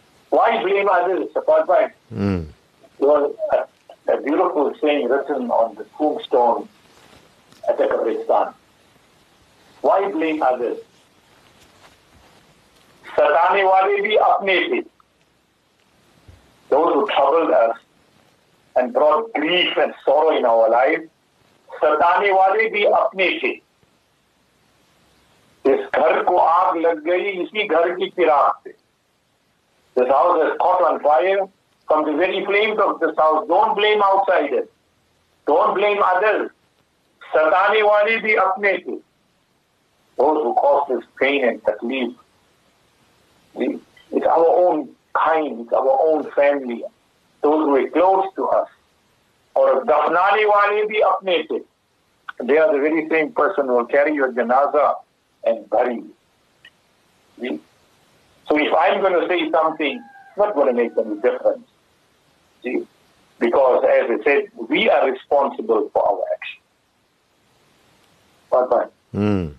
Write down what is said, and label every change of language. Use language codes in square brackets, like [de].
[en] Why blame others? There was a beautiful saying written on the tombstone at the Qabristan. Why blame others? [hi] Satane wale bhi apne bhi. [en] Those who troubled us and brought grief and sorrow in our lives, [hi] सताने वाले भी अपने थे. इस घर को आग लग गई इसी घर की चिराग से. [en] This house has caught on fire from the very flames of this house. Don't blame outsiders. Don't blame others. [hi] सताने वाले भी अपने थे. [en] Those who cause this pain and tatleef. It's our own kind, it's our own family. Those who are close to us. Or [hi] दफनाने वाले भी अपने थे. [en] They are the very same person who will carry your janaza and bury you. So if I'm going to say something, it's not going to make any difference. See? Because, as I said, we are responsible for our actions.